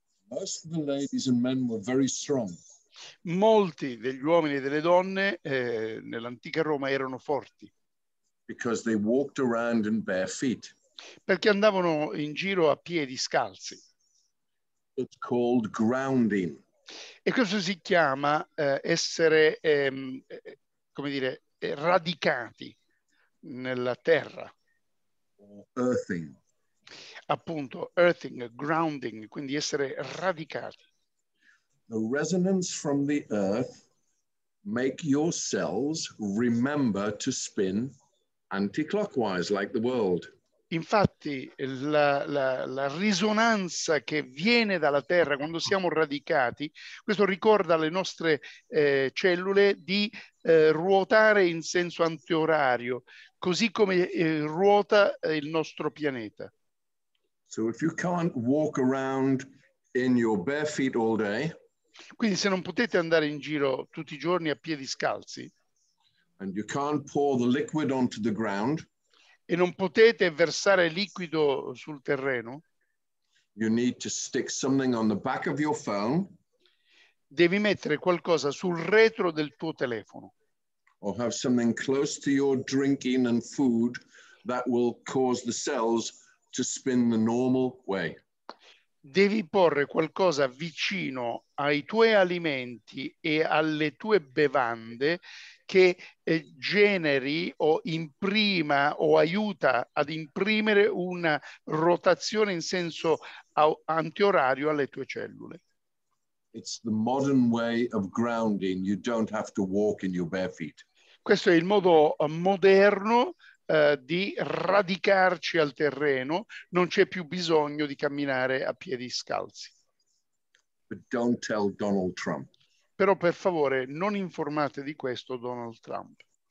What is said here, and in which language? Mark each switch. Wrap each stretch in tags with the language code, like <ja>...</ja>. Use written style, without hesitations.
<en>most of the ladies and men were very strong.</en> <it>Molti degli uomini e delle donne nell'antica Roma erano forti.</it> <en>Because they walked around in bare feet.</en> <it>Perché andavano in giro a piedi scalzi.</it> <en>It's called grounding.</en> <it>E questo si chiama essere, come dire, radicati nella terra.</it> <en>Earthing.</en> <it>Appunto, earthing, grounding, quindi essere radicati.</it> <en>The resonance from the earth make your cells remember to spin anti-clockwise like the world.</en> <it>Infatti la risonanza che viene dalla terra quando siamo radicati, questo ricorda alle nostre cellule di ruotare in senso antiorario, così come ruota il nostro pianeta.</it> <en>So if you can't walk around in your bare feet all day,</en> <it>quindi se non potete andare in giro tutti i giorni a piedi scalzi,</it> <en>and you can't pour the liquid onto the ground,</en> <it>e non potete versare liquido sul terreno,</it> <en>you need to stick something on the back of your phone,</en> <it>devi mettere qualcosa sul retro del tuo telefono,</it> <en>or have something close to your drinking and food that will cause the cells to spin the normal way.</en> <it>Devi porre qualcosa vicino ai tuoi alimenti e alle tue bevande che generi o imprima o aiuta ad imprimere una rotazione in senso antiorario alle tue cellule.</it> <en>It's the modern way of grounding. You don't have to walk in your bare feet.</en> <it>Questo è il modo moderno di radicarci al terreno, non c'è più bisogno di camminare a piedi scalzi.</it> <en>But don't tell Donald Trump.</en> <it>Però per favore non informate di questo Donald Trump.</it>